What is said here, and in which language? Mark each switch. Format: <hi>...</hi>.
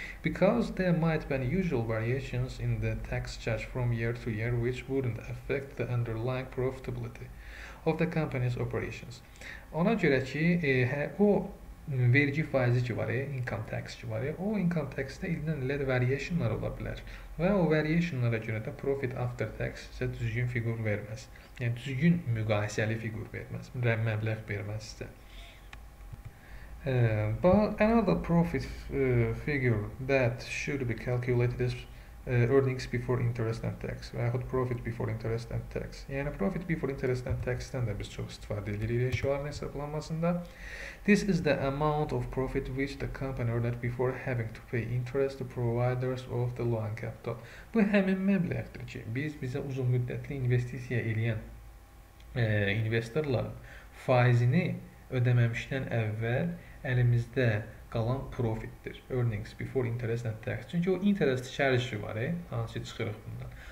<en>Because there might be unusual variations in the tax charge from year to year which wouldn't affect the underlying profitability of the company's operations.</en> <az>Ona görə ki, o vergi faizi ki var, income tax ki var, o income tax-də ildən ilə variationlar ola bilər. Və o variationlara görə də profit after tax sizə düzgün figur verməz. Yəni düzgün müqayisəli figur verməz. Məbləğ verməz sizə.</az> <en>But another profit figure that should be calculated is earnings before interest and tax.</en> <az>Və yaxud</az> <en>profit before interest and tax.</en> <az>Yəni</az> <en>profit before interest and tax-</en> <az>dən də biz çox istifadə edirik rəşyaların hesablanmasında.</az> <en>This is the amount of profit which the company earned before having to pay interest to providers of the loan capital.</en> <az>Bu həmin məbləğdir ki, biz bizə uzun müddətli investisiya eləyən investorlar faizini ödəməmişdən əvvəl əlimizdə qalan profitdir.</az> <en>Earnings before interest and tax.</en> <az>Çünki o interest charge var, hansı çıxırıq bundan.</az>